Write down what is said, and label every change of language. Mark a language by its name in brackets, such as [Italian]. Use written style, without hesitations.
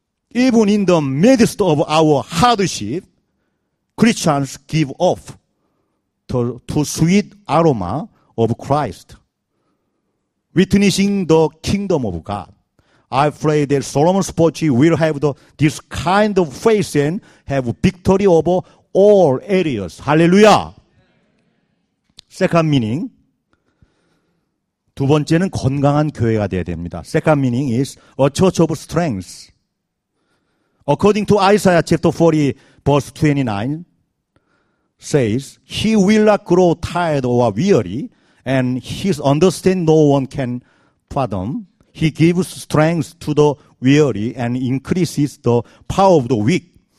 [English] Even in the midst of our hardship, Christians give off the sweet aroma of Christ, witnessing the kingdom of God. I pray that Solomon Sporci will have this kind of faith and have victory over all areas. Hallelujah. Second meaning. [Korean] 두 번째는 건강한 교회가 되어야 됩니다. [English] Second meaning is a church of strength. According to Isaiah chapter 40 verse 29 says, he will not grow tired or weary, and his understanding no one can fathom. He gives strength to the weary and increases the power of the weak.